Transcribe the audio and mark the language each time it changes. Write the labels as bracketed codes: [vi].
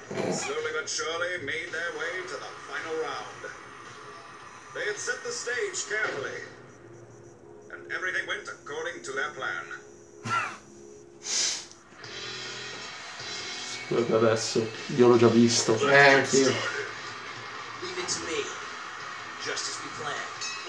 [en] Slowly but surely made their way to the final round. They had set the stage carefully, and everything went according to their plan. [it] Scusa adesso, io l'ho già visto. Anch'io. [en] Leave it to me, just as we planned.